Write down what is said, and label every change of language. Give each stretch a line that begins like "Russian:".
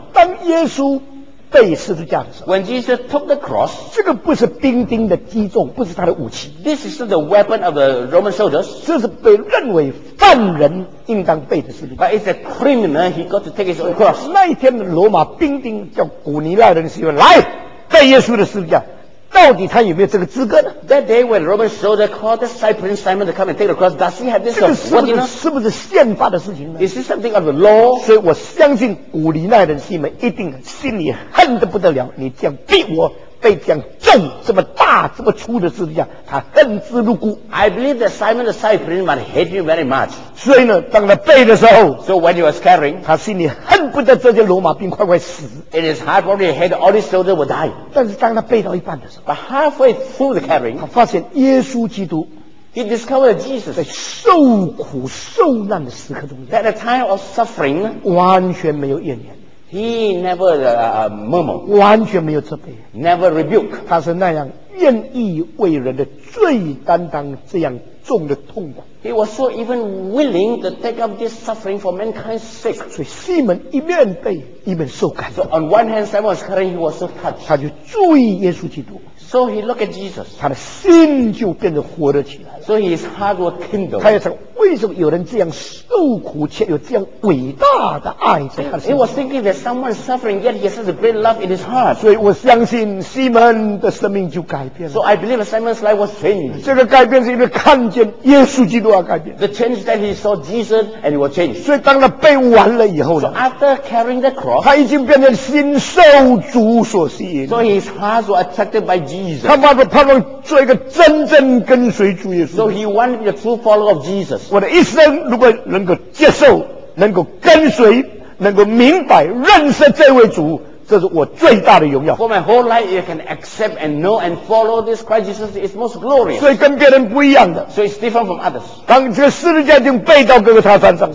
Chinese: 当耶稣被十字架的时候
English: ，When Jesus took the cross，
Chinese: 这个不是兵丁的击中，不是他的武器。
English: This is the weapon of the Roman soldiers，
Chinese: 这是被认为犯人应当背的十字架。
English: But it's a criminal he got to take his own cross。
Chinese: 那一天的罗马兵丁叫古尼拉人，是因为来背耶稣的十字架，到底他有没有这个资格呢
English: ？That day when Roman soldier called the Cyprian Simon to come and take the cross， does he have this authority？
Chinese: 是不是宪法的事情呢
English: ？Is this something of the law？
Chinese: 所以我相信古尼奈人西门一定心里恨得不得了，你这样逼我被这样重、这么大、这么粗的字一样，他恨之入骨。
English: I believe that Simon the Cyprian man hate you very much。
Chinese: 所以呢，当他背的时候
English: ，So when he was carrying，
Chinese: 他心里恨不得这些罗马兵快快死。
English: It is hard for him to hate all these soldiers would die。
Chinese: 但是当他背到一半的时候
English: ，But halfway through the carrying，
Chinese: 他发现耶稣基督
English: ，He discovered Jesus
Chinese: 在受苦受难的时刻中间
English: ，At a time of suffering，
Chinese: 完全没有怨言。
English: He never murmur，
Chinese: 完全没有责备
English: ，never rebuke。
Chinese: 他是那样愿意为人的罪担当这样重的痛苦。
English: He was so even willing to take up this suffering for mankind's sake。
Chinese: 所以西门一面背一面受感动。
English: So on one hand, Simon was carrying, he was so touched。
Chinese: 他就注意耶稣基督。
English: So he looked at Jesus。
Chinese: 他的心就变得活了起来。
English: So his heart was kindled。
Chinese: 他也想，为什么有人这样受苦却有这样伟大的爱在他的心中
English: ？He was thinking that someone suffering yet he has a great love in his heart。
Chinese: 所以我相信西门的生命就改变了。
English: So I believe Simon's life was changed。
Chinese: 这个改变是因为看见耶稣基督而改变。
English: The change that he saw Jesus and he was changed。
Chinese: 所以当他背完了以后呢
English: ？So after carrying the cross，
Chinese: 他已经变成心受主所吸引。
English: So his heart was attracted by Jesus。
Chinese: 他把盼望做一个真正跟随主耶稣。
English: So he wanted to be a true follower of Jesus。
Chinese: 我的一生如果能够接受能够跟随能够明白认识这位主这是我最大的荣耀
English: For my whole life you can accept and know and follow this Christ Jesus is most glorious
Chinese: 所以跟别人不一样的
English: So it's different from others
Chinese: 当这个十字架已经背到哥哥他身上